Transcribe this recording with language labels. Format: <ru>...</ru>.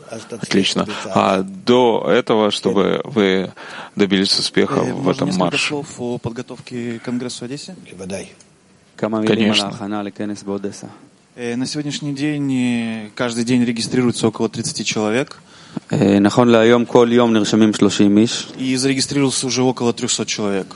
<ru>Отлично. А до этого, чтобы вы добились успеха в этом марше? Можно несколько слов о подготовке к конгрессу в Одессе? Конечно. На сегодняшний день каждый день регистрируется около 30 человек.</ru> <he>נכון להיום כל יום נרשמים 30 איש.</he> <ru>И зарегистрировалось уже около 300 человек.</ru>